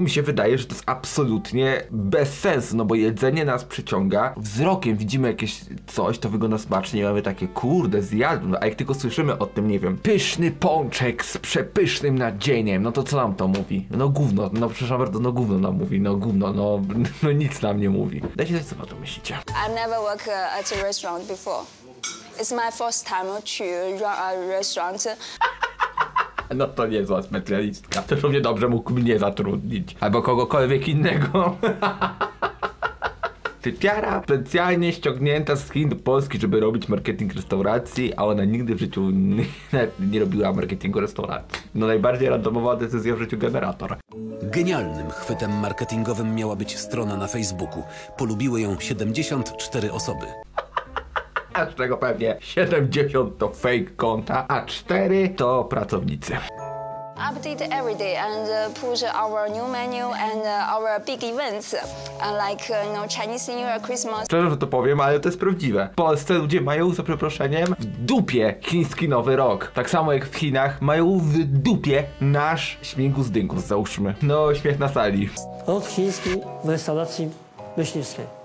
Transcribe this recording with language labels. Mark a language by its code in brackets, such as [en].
[pl] Mi się wydaje, że to jest absolutnie bez sensu, no bo jedzenie nas przyciąga wzrokiem. Widzimy jakieś coś, to wygląda smacznie i mamy takie, kurde, zjadłem. A jak tylko słyszymy o tym, nie wiem, pyszny pączek z przepysznym nadzieniem, no to co nam to mówi? No gówno, no przepraszam bardzo, no gówno nam mówi, no gówno, no nic nam nie mówi. Dajcie coś, co o tym myślicie. [en] I've never worked at a restaurant before. It's my first time to run a restaurant. [pl] No to niezła specjalistka. To równie dobrze mógł mnie zatrudnić. Albo kogokolwiek innego. Typiara specjalnie ściągnięta z Chin do Polski, żeby robić marketing restauracji, a ona nigdy w życiu nie robiła marketingu restauracji. No najbardziej randomowa decyzja w życiu generator. Genialnym chwytem marketingowym miała być strona na Facebooku. Polubiły ją 74 osoby. A z czego pewnie 70 to fake konta, a 4 to pracownicy. [en] Update every day and push our new menu and our big events like you know, Chinese New Year, Christmas. [pl] Szczerze, że to powiem, ale to jest prawdziwe. W Polsce ludzie mają, za przeproszeniem, w dupie chiński nowy rok. Tak samo jak w Chinach mają w dupie nasz śmiechu z dynku, załóżmy. No, śmiech na sali. Od chiński w restauracji myśliwskiej.